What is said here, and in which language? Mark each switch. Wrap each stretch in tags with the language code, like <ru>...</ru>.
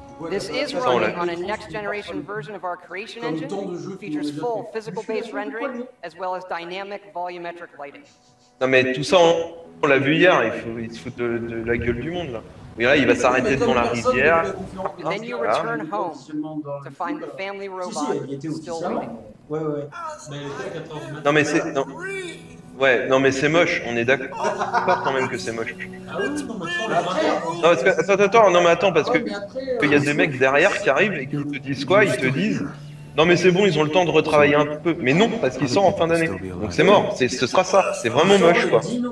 <en>This is running on a next generation version of our creation engine, features full physical based rendering as well as dynamic volumetric lighting.</en> <fr>Non mais tout ça, on l'a vu hier, il se fout de la gueule du monde là. Mais là, il va s'arrêter devant la rivière.</fr> <en>Then you return home to find the family robot still waiting.</en> <fr>Non mais c'est. Non. Ouais, non mais c'est moche, on est d'accord quand même que c'est moche. Non, parce que, attends, non mais attends, parce que il y a des mecs derrière qui arrivent et qui te disent quoi? Ils te disent, non mais c'est bon, ils ont le temps de retravailler un peu. Mais non, parce qu'ils sont en fin d'année. Donc c'est mort, ce sera ça, c'est vraiment moche quoi.</fr>